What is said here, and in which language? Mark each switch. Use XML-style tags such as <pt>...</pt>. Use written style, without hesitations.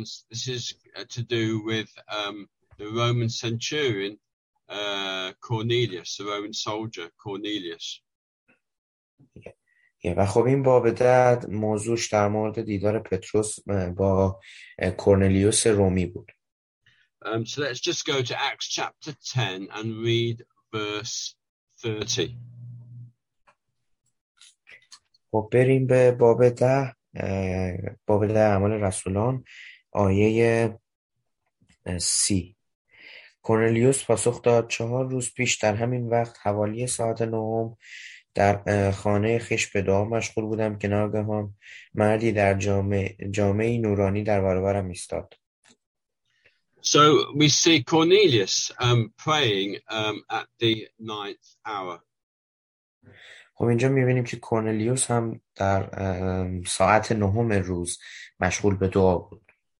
<en>This is to do with the Roman centurion Cornelius, the Roman soldier Cornelius.</en> <fa>و خب این باب 10 موضوعش در مورد دیدار پتروس با کورنلیوس رومی بود.</fa> <en>So let's just go to Acts chapter 10 and read verse 30.</en> <fa>خب بریم به باب ده اعمال رسولان آیه 30. کورنلیوس پاسخ داد: چهار روز پیش در همین وقت حوالی ساعت نهم در خانه خیش به دعا مشغول بودم که ناگهان مردی در جامعه نورانی در برابرم ایستاد.</fa> <en>So we see Cornelius praying at the ninth hour.</en> <fa>خب اینجا می‌بینیم که کورنلیوس هم در ساعت نهم روز مشغول به دعا بود.</fa>